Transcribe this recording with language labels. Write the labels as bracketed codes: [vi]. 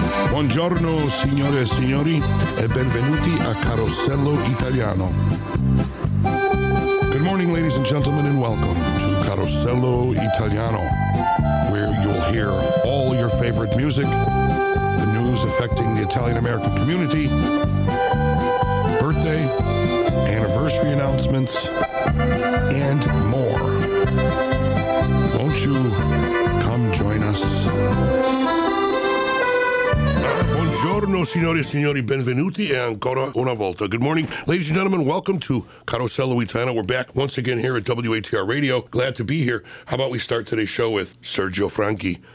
[it] Buongiorno signore e signori e benvenuti a Carosello Italiano. [en] Good morning ladies and gentlemen and welcome to Carosello Italiano, where you'll hear all your favorite music, the news affecting the Italian-American community, birthday, anniversary announcements, and more. Won't you come join us? [it] Buongiorno, signori e signori, benvenuti e ancora una volta. [en] Good morning, ladies and gentlemen. Welcome to Carosello Italiano. We're back once again here at WATR Radio. Glad to be here. How about we start today's show with Sergio Franchi?